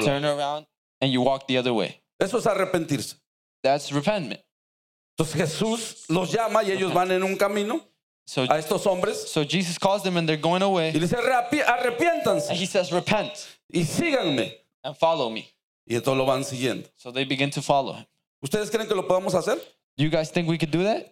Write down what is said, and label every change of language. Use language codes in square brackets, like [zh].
[en] and you turn around and you walk the other way. [es] Eso es arrepentirse. [en] That's repentment. [es] Entonces Jesús los llama y ellos van en un camino. [en] So, [es] a estos hombres, [en] so Jesus calls them and they're going away. [es] Y dice, arrepiéntanse. [en] And he says, repent. [es] Y síganme. [en] And follow me. [es] Y entonces lo van siguiendo. [en] So they begin to follow him. [es] ¿Ustedes creen que lo podemos hacer? [en] Do you guys think we could do that?